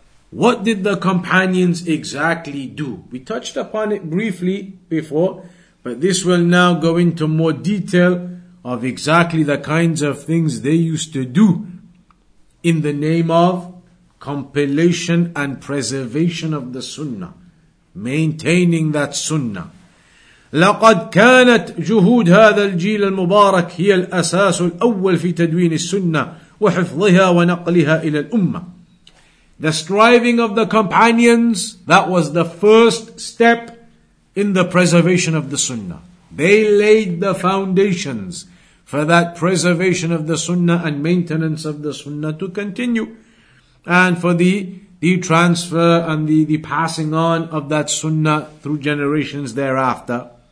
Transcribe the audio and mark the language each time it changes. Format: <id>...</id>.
<en>What did the companions exactly do? We touched upon it briefly before, but this will now go into more detail of exactly the kinds of things they used to do in the name of compilation and preservation of the sunnah, maintaining that sunnah.</en> <ar>لقد كانت جهود هذا الجيل المبارك هي الأساس الأول في تدوين السنة وحفظها ونقلها إلى الأمة.</ar> <en>The striving of the companions, that was the first step in the preservation of the sunnah. They laid the foundations for that preservation of the sunnah and maintenance of the sunnah to continue, and for the transfer and the passing on of that sunnah through generations thereafter.</en>